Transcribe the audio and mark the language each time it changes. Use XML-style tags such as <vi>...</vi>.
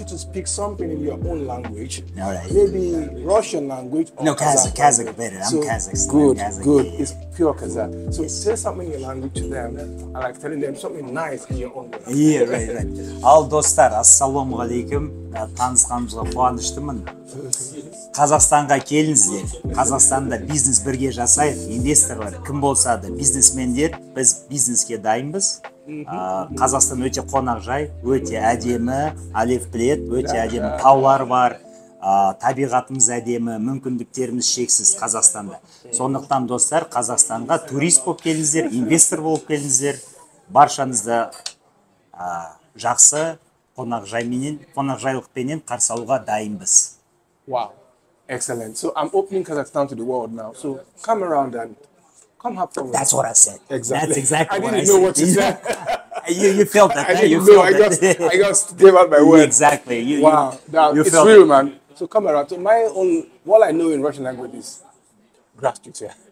<en>Speak something in your own language, all right. Maybe Russian language. No, Kazakh better. I'm so Kazakh. Good, Kazakh, good. Yeah. It's pure Kazakh. So yes. Say something in your language to them, and like telling them something nice in your own language. Yeah, right. All dostlar, assalamu alaikum.</en> <kk>Танысқанымызға қуаныштымын. Қазақстанға келіңіздер. Қазақстанда бизнес бірге жасайық. Инвесторлар кім болса да, бизнесмендер, біз бизнеске дайынбыз. Қазақстан өте қонақжай, өте әдемі, ALEPH білет, өте әдемі таулар бар, табиғатымыз әдемі, мүмкіндіктеріміз шексіз Қазақстанда. Сондықтан достар, Қазақстанға турист болып келіңіздер, инвестор болып келіңіздер. Баршаңызды жақсы қонақжайлықпенен қарсы алуға дайынбыз.</kk> <en>Wow, excellent. So I'm opening Kazakhstan to the world now. So come around and come have fun. That's what I said. Exactly. That's exactly what I said. I didn't know what you said. You felt that. I just gave out my word. Exactly. It's real, man. So come around. So my own, what I know in Russian language is gratitude.</en>